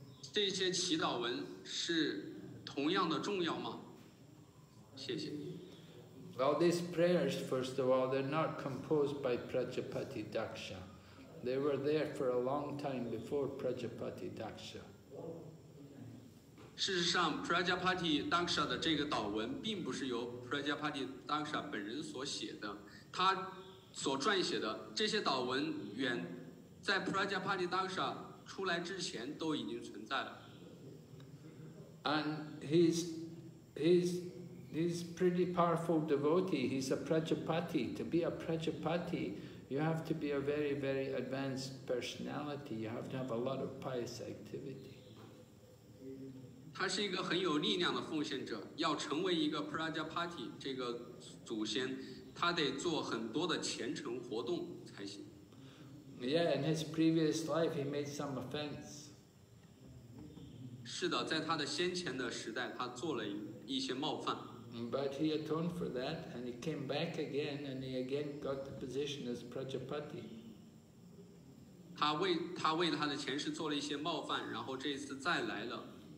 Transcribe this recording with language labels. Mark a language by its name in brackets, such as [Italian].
[Chinese] 这些祈祷文是同样的重要吗？谢谢。 [English] Well, these prayers, first of all, they're not composed by Prajapati Daksha. They were there for a long time before Prajapati Daksha. [Chinese] 事实上, Prajapati Daksha的这个祷文 并不是由 Prajapati Daksha本人所写的, 他所撰写的这些祷文 远, 在 Prajapati Daksha出来之前 都已经存在了。 [English] And he's pretty powerful devotee. He's a Prajapati. To be a Prajapati, you have to be a very, very advanced personality. You have to have a lot of pious activity. [Chinese] 他是一个很有力量的奉献者, 要成为一个 Prajapati 这个祖先, 他得做很多的虔诚活动才行。 [English] Yeah, in his previous life, he made some offense. [Chinese] 是的, 在他的先前的时代, 他做了一些冒犯。 [English] But he atoned for that, and he came back again, and he again got the position as Prajapati. [Chinese] 他为他的前世做了一些冒犯, 然后这一次再来了。